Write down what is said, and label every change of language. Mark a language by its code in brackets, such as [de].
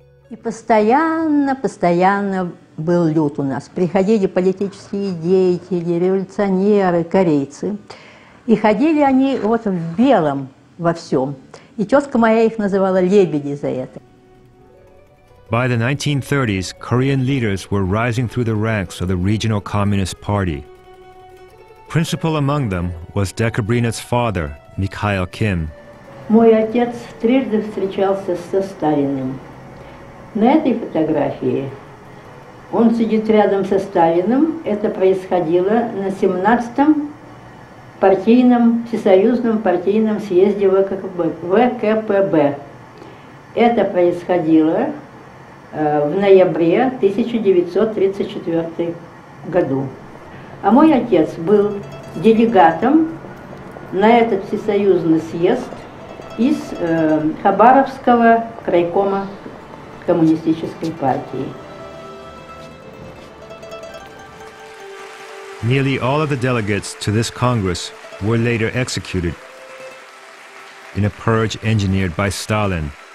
[ru] И постоянно был люд у нас. Приходили политические деятели, революционеры, корейцы. И ходили они вот в белом во всем. И тетка моя их называла лебеди за это. [en] By the 1930s, Korean leaders were rising through the ranks of the regional Communist Party. Principal among them was Декабрина's father, Михаил Ким. [ru] Мой отец трижды встречался со Сталиным. На этой фотографии он сидит рядом со Сталиным. Это происходило на 17-м партийном, всесоюзном партийном съезде ВКПБ. Это происходило в ноябре 1934 году. А мой отец был делегатом на этот всесоюзный съезд из Хабаровского крайкома коммунистической партии. [en] Nearly all of the delegates to this Congress were later executed in a purge engineered by Stalin.